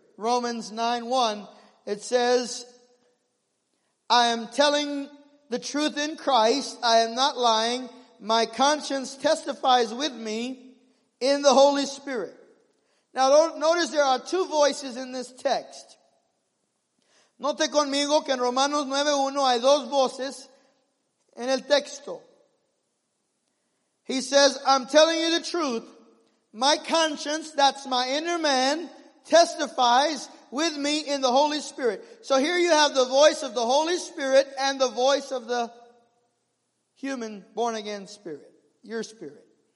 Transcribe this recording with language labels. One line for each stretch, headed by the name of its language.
English: Romans 9, 1, it says, I am telling the truth in Christ. I am not lying. My conscience testifies with me in the Holy Spirit. Now notice there are two voices in this text.
Spanish: Note conmigo que en Romanos 9:1 hay dos voces en el texto.
English: He says, I'm telling you the truth. My conscience, that's my inner man, testifies with me in the Holy Spirit. So here you have the voice of the Holy Spirit and the voice of the human born again spirit, your spirit.